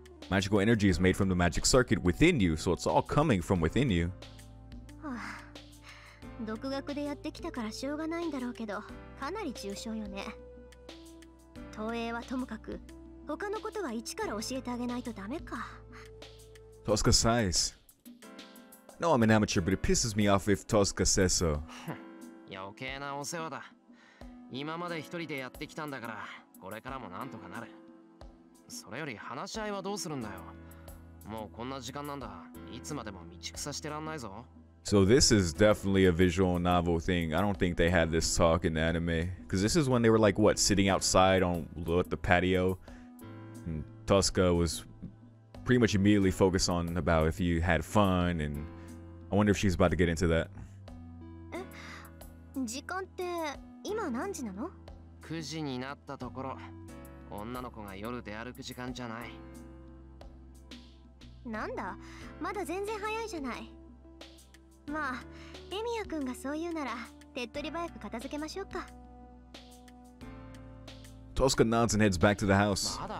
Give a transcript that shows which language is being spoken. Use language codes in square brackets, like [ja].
[en] Magical energy is made from the magic circuit within you, so it's all coming from within you. [ja] 独学でやってきたからしょうがないんだろうけど、かなり重症よね。投影はともかく、他のことは一から教えてあげないとダメか。 [en] Tosca sighs. No, I'm an amateur, but it pisses me off if Tosca says so. [ja] 余計なお世話だ。今まで一人でやってきたんだから、これからもなんとかなる。それより話し合いはどうするんだよ。もうこんな時間なんだ。いつまでも道草してらんないぞ。 [en] So this is definitely a visual novel thing. I don't think they had this talk in the anime. Because this is when they were like, what, sitting outside on the patio. Tosca was pretty much immediately focused on about if you had fun, and I wonder if she's about to get into that. [ja] え、時間って今何時なの？ 9時になったところ。女の子が夜出歩く時間じゃない。なんだ、まだ全然早いじゃない。まあエミヤ君がそう言うなら手っ取り早く片付けましょうか。 [en] Tosca nods and heads back to the house.